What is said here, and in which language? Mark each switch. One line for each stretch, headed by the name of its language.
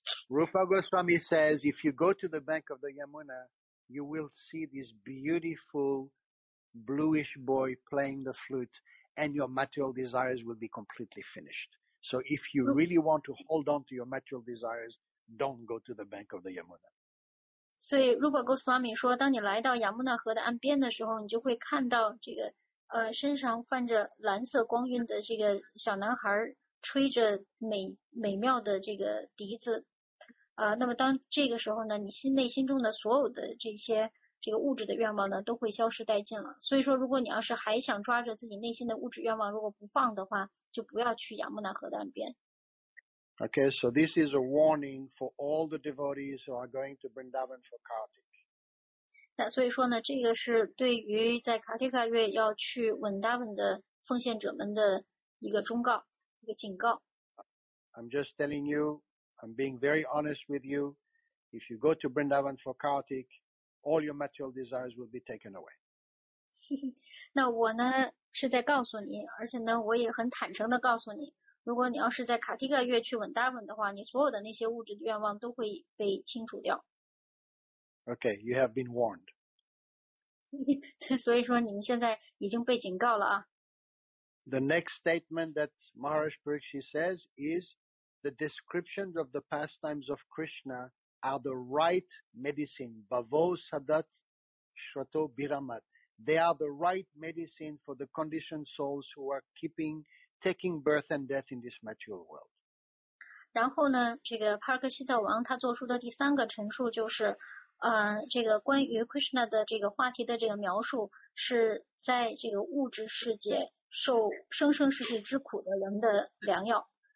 English: Rupa Goswami says, if you go to the bank of the Yamuna, you will see this beautiful. Bluish boy playing the flute, and your material desires will be completely finished. So, if you really want to hold on to your material desires, don't go to the bank of the Yamuna.
Chinese: 所以 Rupa Goswami 说，当你来到亚穆纳河的岸边的时候，你就会看到这个身上泛着蓝色光晕的这个小男孩吹着美妙的这个笛子。那么当这个时候呢，你内心中的所有的这些。这个物质的愿望呢都会消失殆尽了。所以说如果你要是还想抓着自己内心的物质愿望如果不放的话就不要去亚穆纳河的岸边。
English: Okay, so this is a warning for all the devotees who are going to Vrindavan for Kartik.
Chinese: 那所以说呢这个是对于在卡提卡月要去文达文的奉献者们的一个忠告一个警告。
English: I'm just telling you, I'm being very honest with you, if you go to Vrindavan for Kartik,all your material desires will be taken away.
Chinese: 那我呢是在告诉你，而且呢我也很坦诚的告诉你，如果你要是在卡提卡月去稳达稳的话，你所有的那些物质的愿望都会被清除掉。
English: Okay, you have been warned.
Chinese: 所以说你们现在已经被警告了啊。
English: The next statement that Maharaj Pariksit says is the description of the pastimes of Krishna. Are the right medicine,
Sanskrit: bhavo sadat shrato biramat.
English: They are the right medicine for the conditioned souls who are taking birth and death in this material world.
Chinese: 然后呢，这个帕克西特王他做出的第三个陈述就是，这个关于 Krishna 的这个话题的这个描述是在这个物质世界受生生世世之苦的人的良药。